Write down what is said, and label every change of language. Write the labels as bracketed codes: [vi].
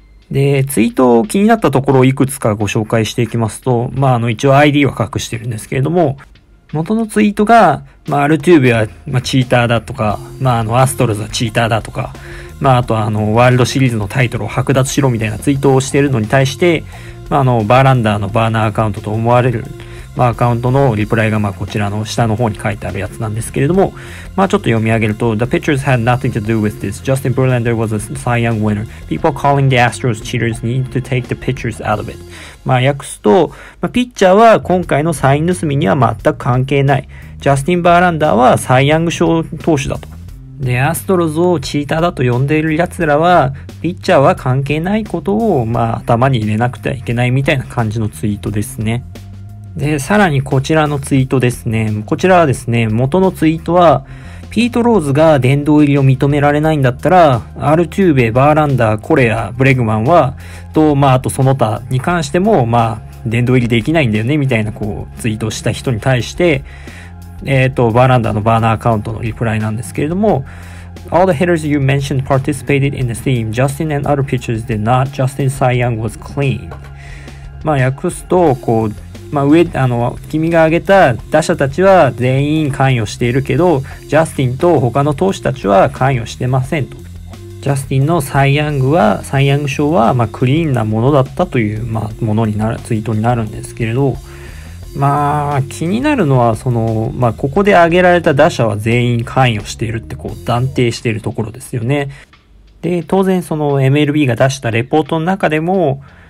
[ja] で、ツイートを気になったところをいくつかご紹介していきますと、まあ、一応 ID は隠してるんですけれども、元のツイートが、まあ、アルテューベは、まあ、チーターだとか、まあ、アストロズはチーターだとか、まあ、あとはワールドシリーズのタイトルを剥奪しろみたいなツイートをしているのに対して、まあ、バーランダーのバーナーアカウントと思われる、まあ、アカウントのリプライが、まあ、こちらの下の方に書いてあるやつなんですけれども、まあ、ちょっと読み上げると、 [en] The pitchers had nothing to do with this. Justin Verlander was a Cy Young winner. People calling the Astros cheaters need to take the pitchers out of it. [ja] まあ、訳すと、まあ、ピッチャーは今回のサイン盗みには全く関係ない。 Justin Verlander はサイ・ヤング賞投手だと。で、アストロズをチーターだと呼んでいる奴らは、ピッチャーは関係ないことを、まあ、頭に入れなくてはいけないみたいな感じのツイートですね。で、さらにこちらのツイートですね。こちらはですね、元のツイートは、ピート・ローズが殿堂入りを認められないんだったら、アルテューベ、バーランダー、コレア、ブレグマンは、と、まあ、あとその他に関しても、まあ、殿堂入りできないんだよね、みたいな、こう、ツイートをした人に対して、バーランダーのバーナーアカウントのリプライなんですけれども、 [en] All the hitters you mentioned participated in the theme. Justin and other pitchers did not. Justin Cy Young was clean. [ja] まあ、訳すと、こう、まあ、君が挙げた打者たちは全員関与しているけど、ジャスティンと他の投手たちは関与してませんと。ジャスティンのサイヤングは、サイヤング賞は、まあ、クリーンなものだったという、まあ、ものになる、ツイートになるんですけれど、まあ、気になるのは、その、まあ、ここで挙げられた打者は全員関与しているって、こう、断定しているところですよね。で、当然、その MLB が出したレポートの中でも、